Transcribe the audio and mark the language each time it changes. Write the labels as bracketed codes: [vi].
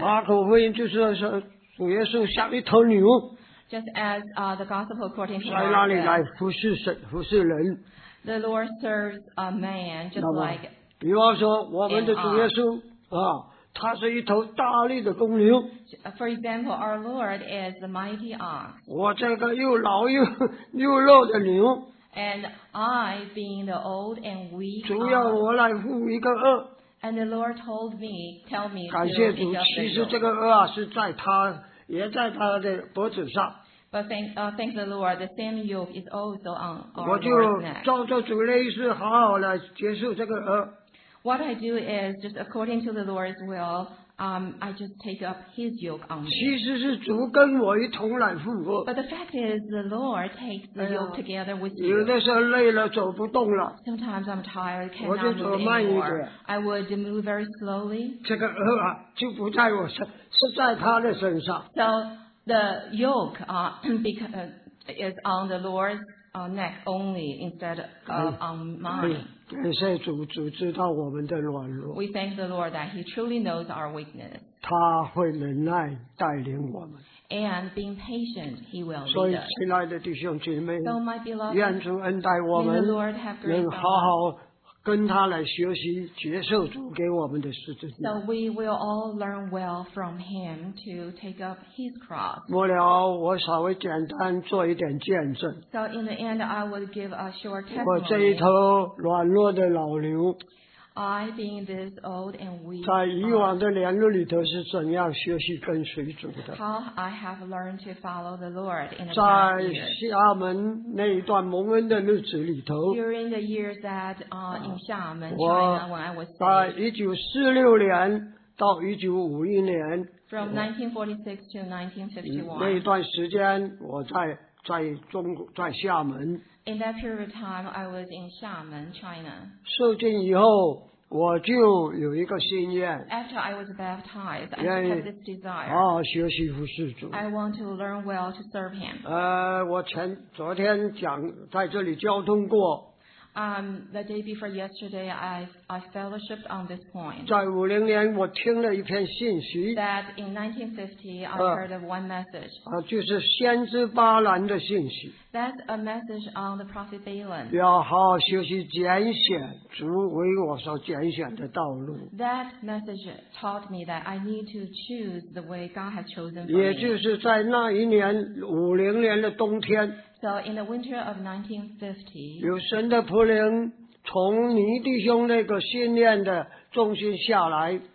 [zh] 马可福音就是说主耶稣像一头牛。 [en] Just as the gospel according to Mark said. [zh] 在那里来服侍神，服侍人。 [en] The Lord serves a man just like. [zh] 比方说，我们的主耶稣啊，他是一头大力的公牛。 [en] For example, our Lord is the mighty ox. [zh] 我这个又老又弱的牛。 [en] And I, being the old and weak. [zh] 主要我来负一个轭。 [en] And the Lord told me, tell me. [zh] 感谢主，其实这个轭啊是在他，也在他的脖子上。 [en] But thank the Lord, the same yoke is also on our neck. [zh] 我就照着主的意思，好好来结束这个轭。 [en] What I do is just according to the Lord's will, I just take up His yoke on me. [zh] 其实是主跟我一同来负轭。 [en] But the fact is, the Lord takes the yoke together with you. [zh] 有的时候累了，走不动了。 [en] Sometimes I'm tired, cannot [zh] 我就走慢一点。 [en] I would move very slowly. [zh] 这个轭啊，就不在我身，是在他的身上。 [en] So. The yoke is on the Lord's neck only instead of on mine. [zh] 感谢主，主知道我们的软弱。 [en] We thank the Lord that He truly knows our weakness. [zh] 他会忍耐带领我们。 [en] And being patient, He will lead us. [zh] 所以，亲爱的弟兄姐妹， [en] so、my beloved, [zh] 愿主恩待我们， [en] the Lord have great [zh] 能好好。跟他来学习接受主给我们的十字架。 [en] So we will all learn well from him to take up his cross. [zh] 末了，我稍微简单做一点见证。 [en] So in the end, I would give a short testimony. [zh] 我这一头软弱的老牛。 [en] I being this old and weak. [zh] 在以往的年路里头是怎样学习跟随主的 [en] ？How I have learned to follow the Lord in the [zh] 在厦门那一段蒙恩的日子里头 [en] ，During the years that in 厦门 China when I was [zh] 在1946年到1951年 [en] from 1946 to 1951. [zh] 那一段时间我在厦门。 [en] In that period of time, I was in 厦门, China. [zh] 受浸以后我就有一个心愿。 [en] After I was baptized, I had this desire. [zh] 好好学习服侍主。 [en] I want to learn well to serve him. [zh] 我前昨天讲在这里交通过。 [en] The day before yesterday, I fellowshipped on this point. [zh] 在五零年我听了一篇信息。 [en] That in 1950, I heard of one message. [zh] 就是先知巴兰的信息。 [en] That's a message on the prophet Balaam. [zh] 要好好学习拣选主为我所拣选的道路。 [en] That message taught me that I need to choose the way God has chosen for me. [zh] 也就是在那一年五零年的冬天。 [en] So in the winter of 1950, [zh] 有神的仆人从尼弟兄那个训练的中心下来。